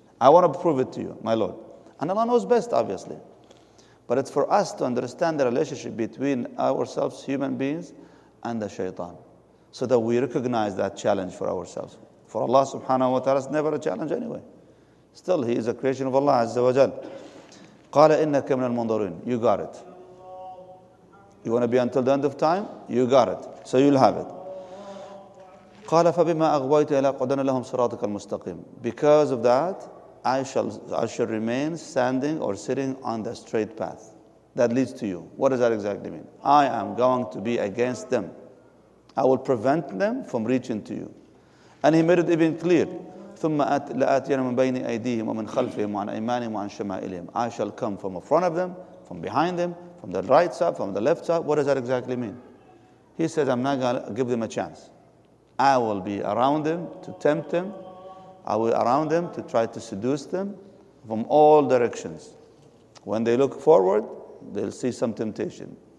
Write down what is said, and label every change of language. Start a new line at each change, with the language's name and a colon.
English: I want to prove it to you, my Lord. And Allah knows best, obviously. But it's for us to understand the relationship between ourselves, human beings, and the shaitan, so that we recognize that challenge for ourselves. For Allah subhanahu wa ta'ala is never a challenge anyway. Still, He is a creation of Allah azza wa jal.
Arabic: قَالَ إِنَّكَ مِنَ الْمُنْظَرِينَ.
English: You got it. You want to be until the end of time? You got it. So you'll have it.
Arabic: قال فبما أغويت إلى قدنا لهم صراطك المستقيم.
English: Because of that, I shall remain standing or sitting on the straight path that leads to you. What does that exactly mean? I am going to be against them. I will prevent them from reaching to you. And he made it even clear.
Arabic: ثم لآتين من بين أيديهم ومن خلفهم وعن أيمانهم وعن شمائلهم.
English: I shall come from in front of them, from behind them, from the right side, from the left side. What does that exactly mean? He says, I'm not going to give them a chance. I will be around them to tempt them. I will be around them to try to seduce them. from all directions. When they look forward, they'll see some temptation.